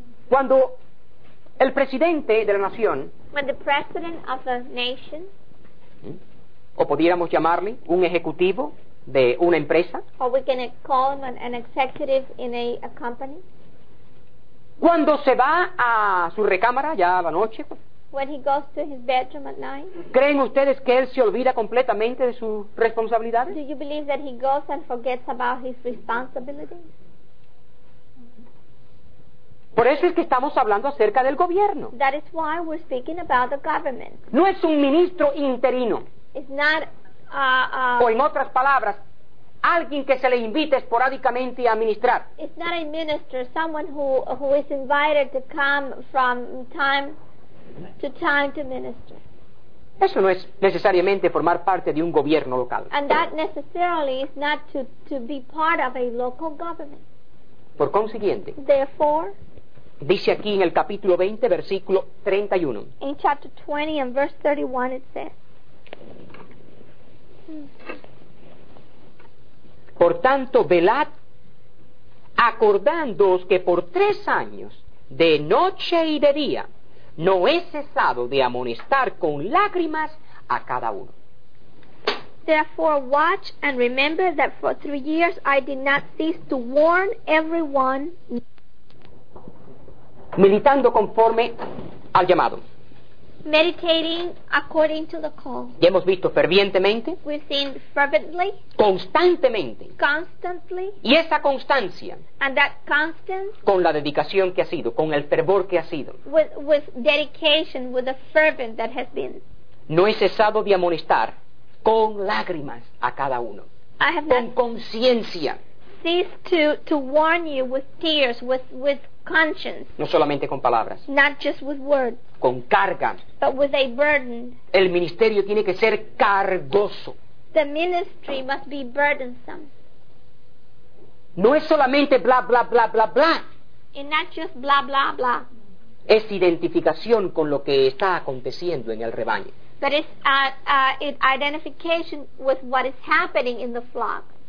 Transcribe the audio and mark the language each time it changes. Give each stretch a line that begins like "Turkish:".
Spanish: Cuando el presidente de la nación,
English: when the president of the nation,
Spanish: o pudiéramos llamarle un ejecutivo de una empresa,
English: or we can call him an executive in a company.
Spanish: Cuando se va a su recámara ya a la noche,
English: when he goes to his bedroom at night,
Spanish: ¿creen ustedes que él se olvida completamente de sus responsabilidades?
English: Do you believe that he goes and forgets about his responsibilities?
Spanish: Por eso es que estamos hablando acerca del gobierno.
English: That is why we're speaking about the government.
Spanish: No es un ministro interino.
English: It's not,
Spanish: o en otras palabras, alguien que se le invite esporádicamente a ministrar.
English: It's not a minister, someone who is invited to come from time to time to minister.
Spanish: Eso no es necesariamente formar parte de un gobierno local.
English: And that necessarily is not to be part of a local government.
Spanish: Por consiguiente,
English: therefore,
Spanish: dice aquí en el capítulo 20, versículo 31.
English: In chapter 20 and verse 31 it says,
Spanish: por tanto, velad, acordándoos que por 3 años, de noche y de día, no he cesado de amonestar con lágrimas a cada uno.
English: Therefore, watch and remember that for 3 years I did not cease to warn everyone,
Spanish: militando conforme al llamado.
English: Meditating according to the call.
Spanish: Ya hemos visto fervientemente.
English: We've seen fervently.
Spanish: Constantemente.
English: Constantly.
Spanish: Y esa constancia.
English: And that constance.
Spanish: Con la dedicación que ha sido, con el fervor que ha sido.
English: With dedication, with the fervent that has been.
Spanish: No he cesado de amonestar con lágrimas a cada uno.
English: I have
Spanish: con conciencia.
English: Cease to warn you with tears, with conscience.
Spanish: No solamente con palabras.
English: Not just with words.
Spanish: Con carga.
English: But with a burden.
Spanish: El ministerio tiene que ser cargoso.
English: The ministry must be burdensome.
Spanish: No es solamente bla bla bla bla bla.
English: And not just bla bla bla.
Spanish: Es identificación con lo que está aconteciendo en el rebaño.
English: But it's identification with what is happening in the flock.